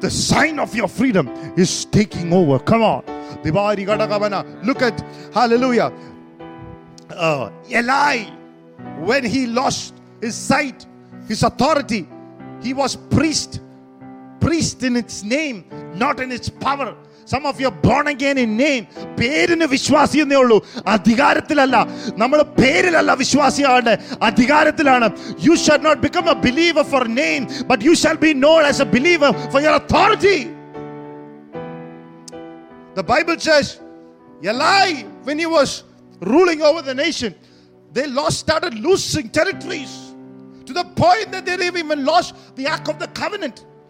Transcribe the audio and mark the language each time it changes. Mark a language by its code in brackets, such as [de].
[en] The sign of your freedom is taking over. Come on. Look at, hallelujah. Eli, when he lost his sight, his authority, he was priest in its name, not in its power. Some of you are born again in name. [ml] പേരിനെ വിശ്വാസി എന്നേ ഉള്ളൂ, അധികാരത്തിലല്ല. നമ്മൾ പേരിലല്ല വിശ്വാസിയാണ്, അധികാരത്തിലാണ്. [en] You shall not become a believer for name, but you shall be known as a believer for your authority. The Bible says, Eli, when he was ruling over the nation, started losing territories to the point that they even lost the Ark of the Covenant.